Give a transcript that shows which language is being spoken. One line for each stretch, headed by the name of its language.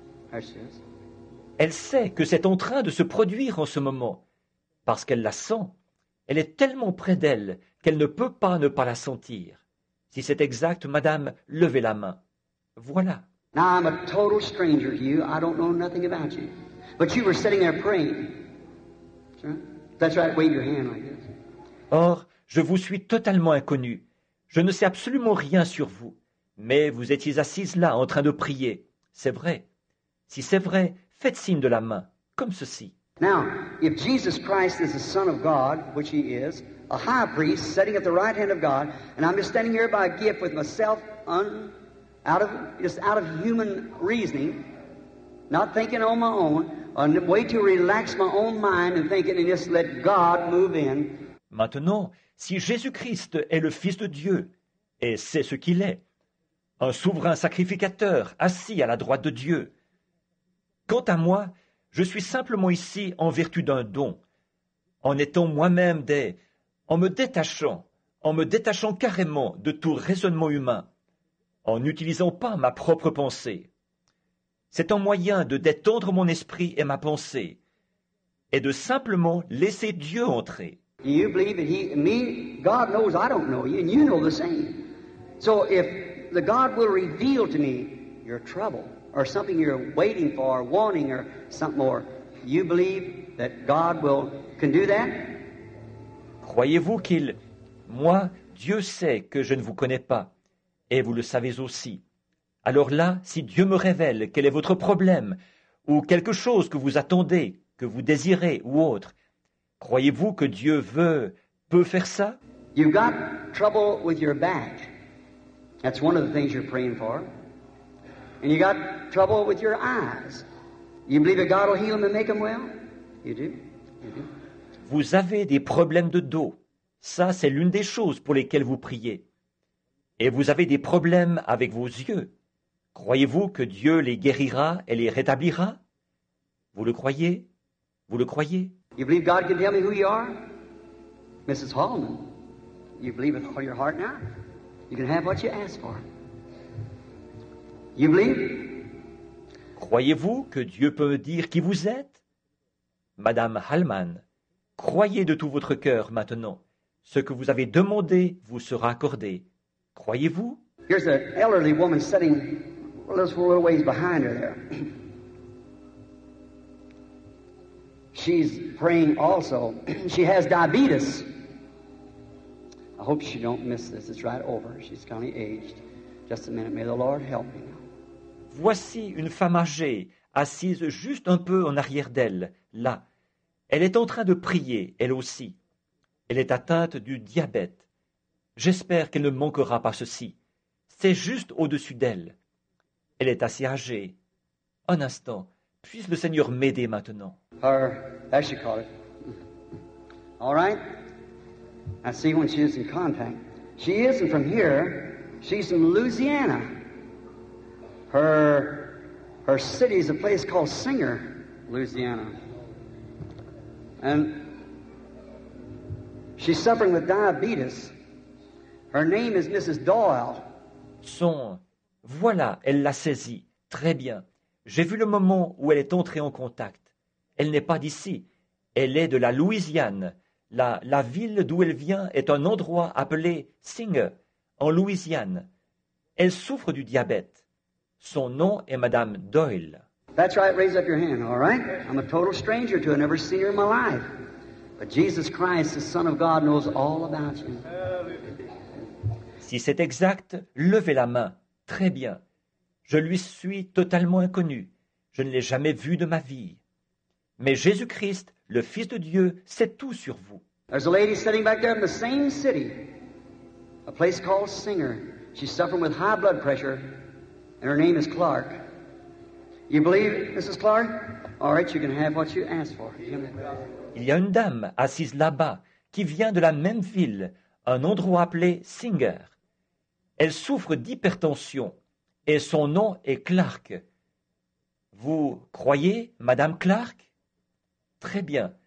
English: There she is.
French: Elle sait que c'est en train de se produire en ce moment, parce qu'elle la sent. Elle est tellement près d'elle qu'elle ne peut pas ne pas la sentir. Si c'est exact, madame, levez la main. Voilà.
English: Now, I'm a total stranger to you. I don't know nothing about you. But you were sitting there praying. That's right, wave your hand like this.
French: Or, je vous suis totalement inconnu. Je ne sais absolument rien sur vous. Mais vous étiez assise là en train de prier. C'est vrai. Si c'est vrai, faites signe de la main, comme ceci.
English: Now, if Jesus Christ is the Son of God, which he is, a high priest sitting at the right hand of God, and I'm just standing here by a gift with myself, out of human reasoning, not thinking on my own, a way to relax my own mind and thinking and just let God move in.
French: Maintenant, si Jésus-Christ est le Fils de Dieu, et c'est ce qu'il est, un souverain sacrificateur assis à la droite de Dieu. Quant à moi, je suis simplement ici en vertu d'un don, en me détachant carrément de tout raisonnement humain, en n'utilisant pas ma propre pensée. C'est un moyen de détendre mon esprit et ma pensée, et de simplement laisser Dieu entrer.
English: Do you believe that he, me, God knows I don't know you, and you know the same. So if the God will reveal to me your trouble, or something you're waiting for, or wanting, or something more, you believe that God will can do that?
French: Croyez-vous qu'il... Moi, Dieu sait que je ne vous connais pas. et vous le savez aussi. Alors là, si Dieu me révèle quel est votre problème, ou quelque chose que vous attendez, que vous désirez, ou autre, croyez-vous que Dieu veut, peut faire ça?
English: You've got trouble with your back. That's one of the things you're praying for. And you got trouble with your eyes. You believe that God will heal them and make them well? You do? You do?
French: Vous avez des problèmes de dos. Ça, c'est l'une des choses pour lesquelles vous priez. Et vous avez des problèmes avec vos yeux. Croyez-vous que Dieu les guérira et les rétablira? Vous le croyez? Vous le croyez?
English: You believe God can tell me who you are? Mrs. Hallman, you believe with all your heart now? You can have what you ask for. You believe?
French: Croyez-vous que Dieu peut me dire qui vous êtes? Madame Hallman, croyez de tout votre cœur maintenant. Ce que vous avez demandé vous sera accordé. Croyez-vous?
English: Here's an elderly woman sitting a little ways behind her there. She's praying also. She has diabetes. I hope she don't miss this. It's right over. She's kind of aged. Just a minute. May the Lord help me.
French: Voici une femme âgée, assise juste un peu en arrière d'elle, là. Elle est en train de prier, elle aussi. Elle est atteinte du diabète. J'espère qu'elle ne manquera pas ceci. C'est juste au-dessus d'elle. Elle est assez âgée. Un instant, puisse le Seigneur m'aider maintenant.
English: Her, as she called it. All right. I see when she is in contact. She isn't from here. She's from Louisiana. Her city is a place called Singer, Louisiana. And she's suffering with diabetes. Her name is Mrs. Doyle.
French: Son, voilà, elle l'a saisi. Très bien. J'ai vu le moment où elle est entrée en contact. Elle n'est pas d'ici. Elle est de la Louisiane. La ville d'où elle vient est un endroit appelé Singer, en Louisiane. Elle souffre du diabète. Son nom est Madame Doyle.
English: That's right, raise up your hand, all right? I'm a total stranger to her, never seen her in my life. But Jesus Christ, the Son of God, knows all about you.
French: Si c'est exact, levez la main. Très bien. Je lui suis totalement inconnu. Je ne l'ai jamais vu de ma vie. Mais Jésus-Christ, le Fils de Dieu, sait tout sur vous.
English: There's a lady sitting back there in the same city, a place called Singer. She's suffering with high blood pressure, and her name is Clark. You believe, Mrs. Clark? All right, you can have what you ask for.
French: Il y a une dame assise là-bas qui vient de la même ville, un endroit appelé Singer. Elle souffre d'hypertension et son nom est Clark. Vous croyez, Madame Clark? Très bien.